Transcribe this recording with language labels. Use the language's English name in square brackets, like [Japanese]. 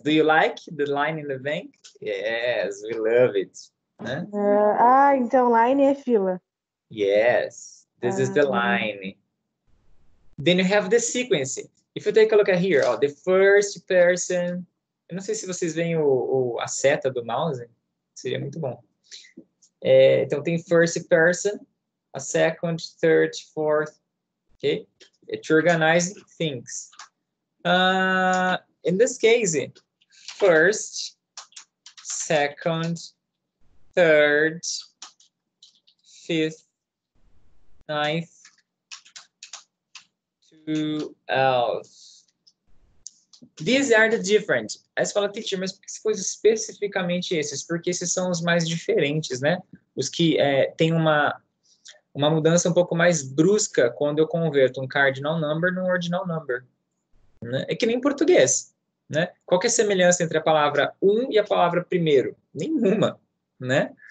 [English] Do you like the line in the bank? Yes, we love it. [Portuguese] Ah, então line é fila. [English] Yes, this is the line. Then you have the sequence. If you take a look at here, oh, the first person. [Portuguese] Eu não sei se vocês veem a seta do mouse. Seria muito bom. É, então tem [English] first person. A second, third, fourth, okay? It organizes things. In this case, first, second, third, fifth, ninth, twelfth. These are the different. [Portuguese] Aí você fala, teacher, mas por que você pôs especificamente esses? Porque esses são os mais diferentes, né? Os que têm uma mudança um pouco mais brusca quando eu converto um cardinal number num ordinal number. Né? É que nem em português. Né? Qual que é a semelhança entre a palavra um e a palavra primeiro? Nenhuma. Né?